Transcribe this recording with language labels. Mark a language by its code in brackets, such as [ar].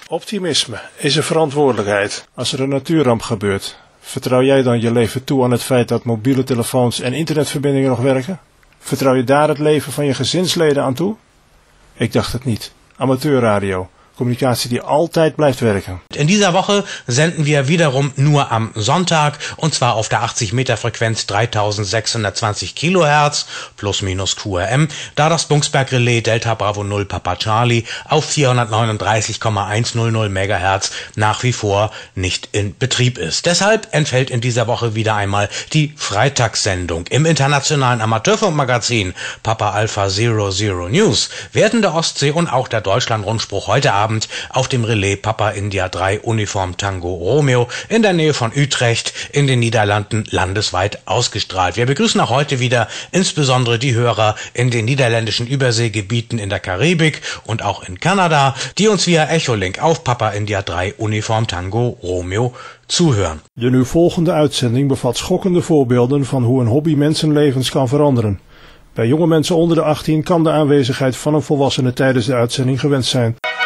[nl] Optimisme is een verantwoordelijkheid. Als er een natuurramp gebeurt, vertrouw jij dan je leven toe aan het feit dat mobiele telefoons en internetverbindingen nog werken? Vertrouw je daar het leven van je gezinsleden aan toe? Ik dacht het niet. Amateurradio. Communicatie die altijd blijft werken. [de] In dieser Woche senden wir wiederum nur am Sonntag und zwar auf der 80 Meter Frequenz 3620 kHz plus minus QRM, da das Bungsberg Relais Delta Bravo 0 Papa Charlie auf 439,100 MHz nach wie vor nicht in Betrieb ist. Deshalb entfällt in dieser Woche wieder einmal die Freitagssendung. Im internationalen Amateurfunkmagazin Papa Alpha 00 News werden der Ostsee und auch der Deutschlandrundspruch heute Abend auf dem Relais Papa India 3 Uniform Tango Romeo in der Nähe von Utrecht in den Niederlanden landesweit ausgestrahlt. Wir begrüßen auch heute wieder insbesondere die Hörer in den niederländischen Überseegebieten in der Karibik und auch in Kanada, die uns via Echolink auf Papa India 3 Uniform Tango Romeo zuhören. [nl] De nu volgende Uitzending bevat schokkende Voorbeelden van hoe een Hobby mensenlevens kan veranderen. Bij jonge mensen onder de 18 kan de aanwezigheid van een volwassene tijdens de uitzending gewend zijn.